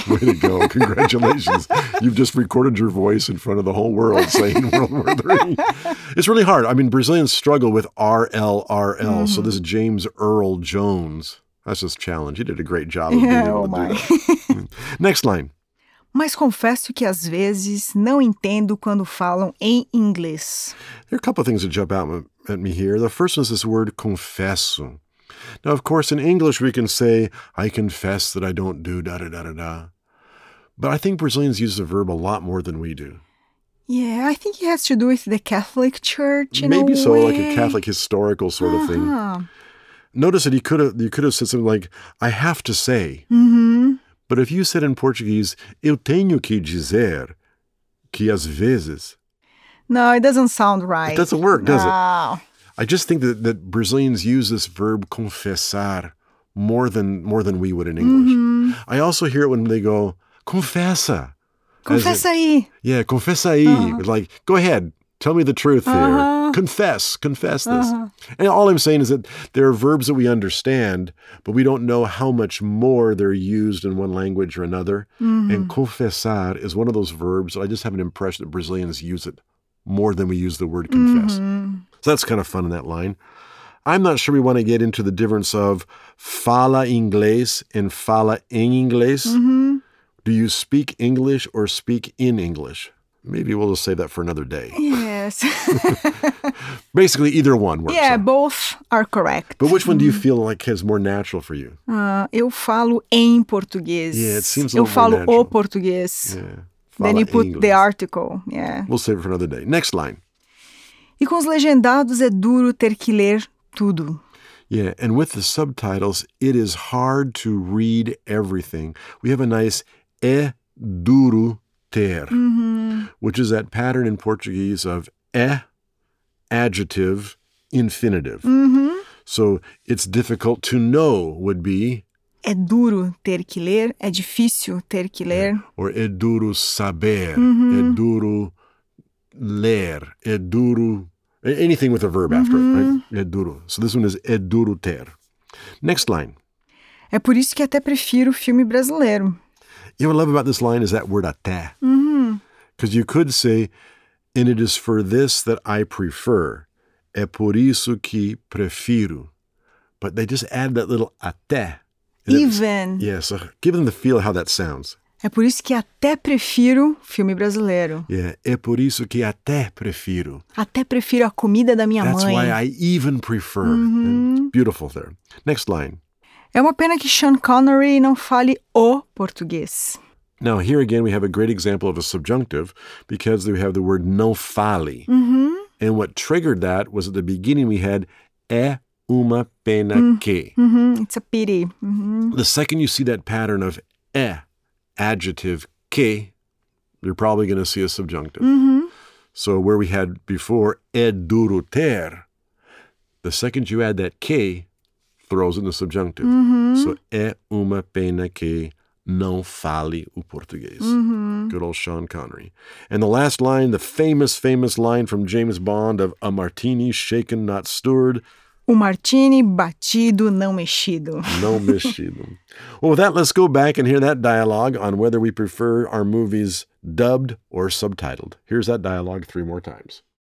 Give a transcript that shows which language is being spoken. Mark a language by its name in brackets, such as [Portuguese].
[English] Way to go. Congratulations. You've just recorded your voice in front of the whole world saying World War III. It's really hard. I mean, Brazilians struggle with RLRL. Mm-hmm. So this is James Earl Jones. That's his challenge. He did a great job of being able to do that. Next line. [Portuguese] Mas confesso que às vezes não entendo quando falam em inglês. [English] There are a couple of things that jump out at me here. The first one is this word confesso. Now, of course, in English we can say, I confess that I don't do da-da-da-da-da. But I think Brazilians use the verb a lot more than we do. Yeah, I think it has to do with the Catholic Church in maybe a so, way. Like a Catholic historical sort uh-huh. of thing. Notice that you could have said something like, I have to say. Mm-hmm. But if you said in Portuguese, [Portuguese] eu tenho que dizer que às vezes. [English] No, it doesn't sound right. It doesn't work, does no. it? I just think that Brazilians use this verb confessar more than we would in English. Mm-hmm. I also hear it when they go, confessa. [Portuguese] Confessa aí. [English] Yeah, [Portuguese] confessa aí. [English] Uh-huh. Like, go ahead, tell me the truth uh-huh. here. Confess this. Uh-huh. And all I'm saying is that there are verbs that we understand, but we don't know how much more they're used in one language or another. Mm-hmm. And confessar is one of those verbs that I just have an impression that Brazilians use it more than we use the word confess. Mm-hmm. So that's kind of fun in that line. I'm not sure we want to get into the difference of [Portuguese] fala inglês [English] and [Portuguese] fala em inglês. Mm-hmm. [English] Do you speak English or speak in English? Maybe we'll just save that for another day. Yes. Basically, either one works. Yeah, so. Both are correct. But which one do you feel like is more natural for you? [Portuguese] Eu falo em português. [English] Yeah, it seems a [Portuguese] eu [English] little more natural. [Portuguese] Eu falo o português. [English] Yeah. Then you put English. The article. Yeah. We'll save it for another day. Next line. [Portuguese] E com os legendados é duro ter que ler tudo. [English] Yeah, and with the subtitles, it is hard to read everything. We have a nice [Portuguese] é duro. [English] Ter, mm-hmm. which is that pattern in Portuguese of é, adjective, infinitive. Mm-hmm. So it's difficult to know would be... [Portuguese] É duro ter que ler, é difícil ter que ler. [English] Yeah. [Portuguese] Or é duro saber, mm-hmm. é duro ler, é duro... [English] Anything with a verb mm-hmm. after it, right? [Portuguese] É duro. [English] So this one is é duro ter. Next line. [Portuguese] É por isso que até prefiro filme brasileiro. [English] You know what I love about this line is that word até. Because mm-hmm. you could say, and it is for this that I prefer. [Portuguese] É por isso que prefiro. [English] But they just add that little até. Even. Yeah, so give them the feel of how that sounds. [Portuguese] É por isso que até prefiro filme brasileiro. Yeah, é por isso que até prefiro. Até prefiro a comida da minha [English] That's [Portuguese] mãe. [English] That's why I even prefer. Mm-hmm. Beautiful there. Next line. [Portuguese] É uma pena que Sean Connery não fale o português. [English] Now, here again, we have a great example of a subjunctive because we have the word não fale. Mm-hmm. And what triggered that was at the beginning we had [Portuguese] é uma pena que. [English] Mm-hmm. It's a pity. Mm-hmm. The second you see that pattern of é, adjective, que, you're probably going to see a subjunctive. Mm-hmm. So where we had before [Portuguese] é duro ter, [English] the second you add that que, throws in the subjunctive. Mm-hmm. [Portuguese] So, é uma pena que não fale o português. Mm-hmm. [English] Good old Sean Connery. And the last line, the famous, famous line from James Bond of a martini shaken, not stirred. [Portuguese] O martini batido, não mexido. Não mexido. [English] Well, with that, let's go back and hear that dialogue on whether we prefer our movies dubbed or subtitled. Here's that dialogue three more times.